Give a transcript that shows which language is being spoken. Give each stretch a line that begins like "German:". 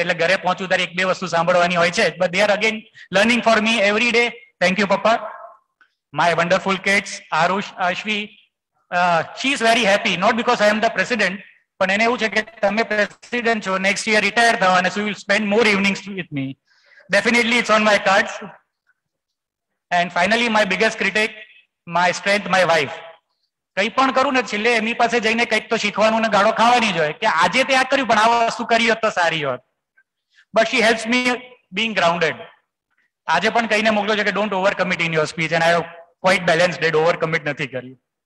Gujarati: એટલે ઘરે પહોંચું ત્યારે એક બે વસ્તુ સાંભળવાની હોય છે,
English: but they are again learning for me every day. Thank you, Papa. My wonderful kids, Arush, Ashvi, she is very happy, not because I am the president,
Gujarati: પણ એને એવું છે કે તમે પ્રેસિડેન્ટ છો,
English: next year retire થવા અને so you will spend more evenings with me. Definitely it's on my cards. And finally, my biggest critic, my strength, my wife.
Gujarati: કઈ પણ કરું ને છેલ્લે એમની પાસે જઈને કઈક તો શીખવાનું ને ગાળો ખાવાની જ હોય કે આજે તે આ કર્યું પણ આ વસ્તુ કરી હોત તો સારી હોત.
English: But she helps me being grounded.
Gujarati: આજે પણ કહીને મોકલ્યો છે કે
English: Don't overcommit in your speech and I have quite balanced, overcommit નથી કર્યું.